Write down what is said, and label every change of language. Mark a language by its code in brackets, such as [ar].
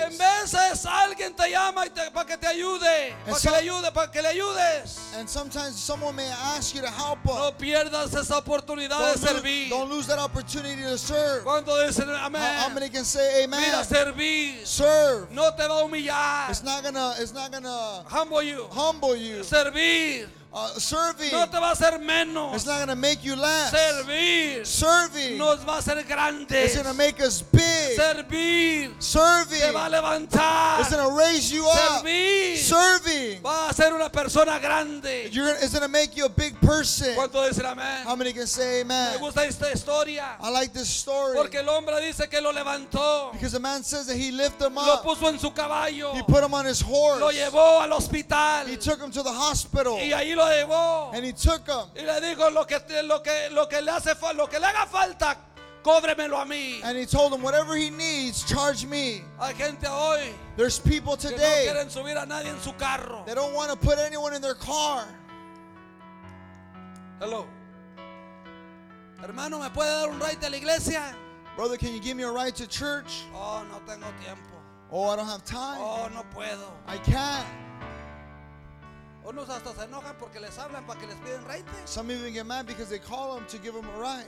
[es] En veces alguien te llama y te para que te ayude, para que le ayude, para que le ayudes. [en] And sometimes someone may ask you to help them. [es] No pierdas esa oportunidad de servir. [en] Don't lose that opportunity to serve. [es] ¿Cuánto dicen amén? [en] How many can say amen? [es] Mira, servir. [en] Serve. [es] No te va a humillar. [en] It's not gonna humble you. Humble you. Serving. [es] No te va a hacer menos. [en] It's not going to make you less. [es] Servir. [en] Serving. [es] Nos va a hacer grandes. [en] It's going to make us big. [es] Servir. [en] Serving. [es] Te va a levantar. [en] It's going to raise you [es] servir. [en] Up. [es] Servir. [en] Serving. [es] Va a ser una persona grande. [en] It's going to make you a big person. [es] ¿Cuánto decir amén? [en] How many can say amen? [es] Me gusta esta historia. [en] I like this story. [es] Porque el hombre dice que lo levantó. [en] Because the man says that he lifted him up. [es] Lo puso en su caballo. [en] He put him on his horse. [es] Lo llevó al hospital. [en] He took him to the hospital. [es] Y ahí lo llevó. [en] And he took him. [es] Y le dijo lo que le hace falta, lo que le haga falta, cóbremelo a mí. [en] And he told him whatever he needs, charge me. [es] Hay gente hoy. [en] There's people today. [es] Que no quieren subir a nadie en su carro. [en] They don't want to put anyone in their car. Hello. [es] Hermano, ¿me puede dar un ride a la iglesia? [en] Brother, can you give me a ride to church? [es] Oh, no tengo tiempo. [en] Oh, I don't have time. [es] Oh, no puedo. [en] I can't. [es] Unos hasta se enojan porque les hablan para que les piden ride. [en] Some even get mad because they call them to give them a ride.